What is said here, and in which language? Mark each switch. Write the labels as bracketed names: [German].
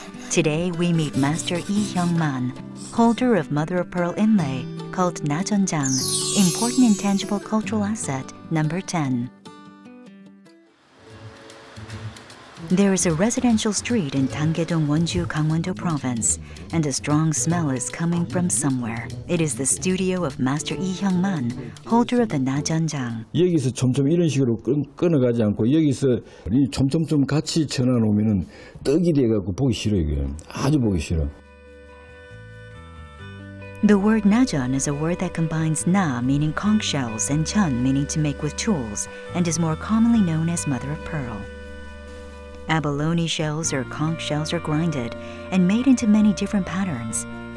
[English] Today, we meet Master Lee Hyeong-man, holder of mother-of-pearl inlay called 나전장, Important Intangible Cultural Asset number 10. There is a residential street in Danggaedong, Wonju, Gangwon-do Province, and a strong smell is coming from somewhere. It is the studio of Master Lee Hyeong-man, holder of the 나전장. [Korean] 여기서 점점 이런 식으로 끊어가지 않고 여기서 이 점점 같이 전화 놓으면은 떡이 돼 갖고 보기 싫어 이게. 아주 보기 싫어. [English] The word 나전 is a word that combines 나 meaning conch shells and 전 meaning to make with tools and is more commonly known as mother of pearl. Abalone shells or conch shells are grinded and made into many different patterns.